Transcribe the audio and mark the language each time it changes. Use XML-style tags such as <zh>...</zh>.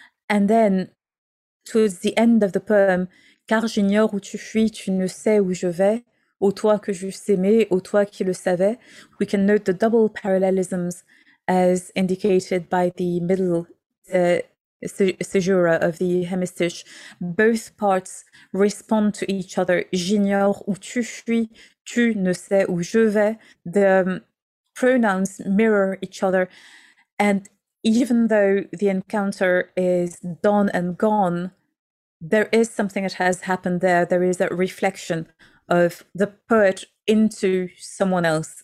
<en>And then, towards the end of the poem,</en> <fr>car j'ignore où tu fuis, tu ne sais où je vais, ô toi que j'eusse aimé, ô toi qui le savais,</fr> <en>we can note the double parallelisms as indicated by the middle caesura of the hemistich. Both parts respond to each other.</en> <fr>J'ignore où tu fuis, tu ne sais où je vais.</fr> <en>The pronouns mirror each other. And even though the encounter is done and gone, there is something that has happened there. There is a reflection of the poet into someone else.</en>